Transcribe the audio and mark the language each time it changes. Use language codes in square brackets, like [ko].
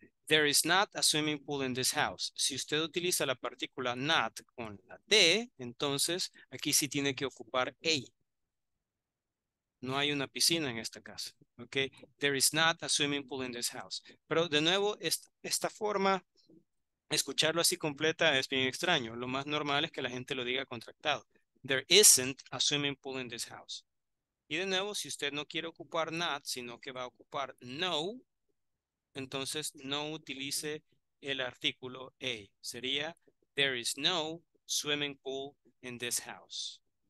[en] There is not a swimming pool in this house. [es] Si usted utiliza la partícula not con la T, entonces aquí sí tiene que ocupar A. No hay una piscina en esta casa. Okay. [en] There is not a swimming pool in this house. [es] Pero de nuevo, esta forma, escucharlo así completa es bien extraño. Lo más normal es que la gente lo diga contractado. [en] There isn't a swimming pool in this house. [es] Y de nuevo, si usted no quiere ocupar not, sino que va a ocupar no, entonces no utilice el artículo a. Sería, [en] there is no swimming pool in this house.